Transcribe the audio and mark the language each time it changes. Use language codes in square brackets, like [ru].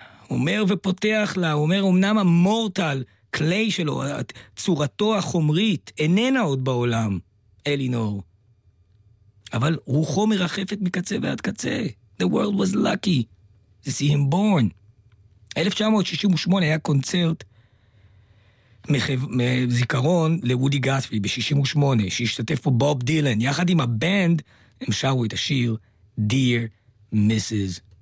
[he] אומר ופותח לה, אומר, אמנם המורטל קליי שלו, צורתו החומרית, איננה עוד בעולם, אלינור. אבל רוחו מרחפת מקצה ועד קצה. [en] The world was lucky to see him born. [he] 1968 היה קונצרט מזיכרון לוודי גת'רי ב-68, שהשתתף פה בוב דילן. יחד עם הבנד, הם שרו את השיר Dear Mrs.